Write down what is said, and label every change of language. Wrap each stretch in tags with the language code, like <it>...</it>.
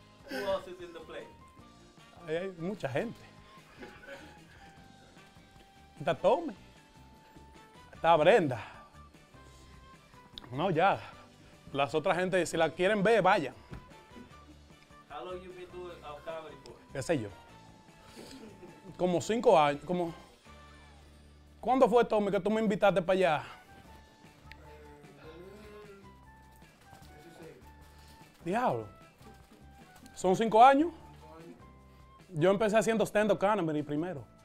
<en>Who else is in the play?</en> <es>Hay mucha gente. Está Tommy. Está Brenda. No, ya. Las otras gente, si la quieren ver, vayan.</es> <en>How long you been doing a comedy for?</en> <es>¿Qué sé yo? Como 5 años, como... ¿Cuándo fue, Tommy, que tú me invitaste para allá? Diablo. ¿Son 5 años? Yo empecé haciendo stand-up comedy primero.</es>